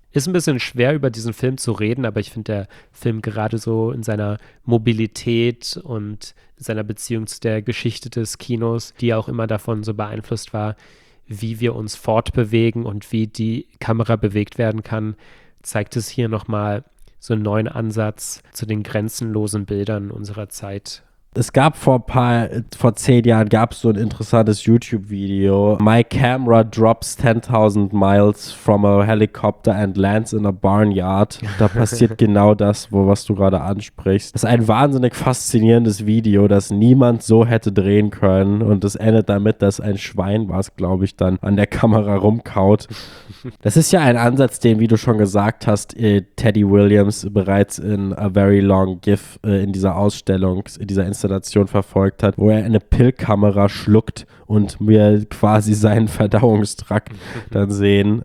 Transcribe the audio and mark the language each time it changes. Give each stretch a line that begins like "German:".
German: Ist ein bisschen schwer, über diesen Film zu reden, aber ich finde, der Film gerade so in seiner Mobilität und seiner Beziehung zu der Geschichte des Kinos, die auch immer davon so beeinflusst war, wie wir uns fortbewegen und wie die Kamera bewegt werden kann, zeigt es hier nochmal so einen neuen Ansatz zu den grenzenlosen Bildern unserer Zeit. Es gab vor 10 Jahren gab es so ein interessantes YouTube-Video.
English: My camera drops 10,000 miles from a helicopter and lands in a barnyard.
German: Da passiert genau das, was du gerade ansprichst. Das ist ein wahnsinnig faszinierendes Video, das niemand so hätte drehen können. Und es endet damit, dass ein Schwein, was glaube ich, dann an der Kamera rumkaut. Das ist ja ein Ansatz, den, wie du schon gesagt hast, Teddy Williams bereits in A Very Long GIF in dieser Ausstellung, in dieser Installation verfolgt hat, wo er eine Pillkamera schluckt und wir quasi seinen Verdauungstrakt dann sehen.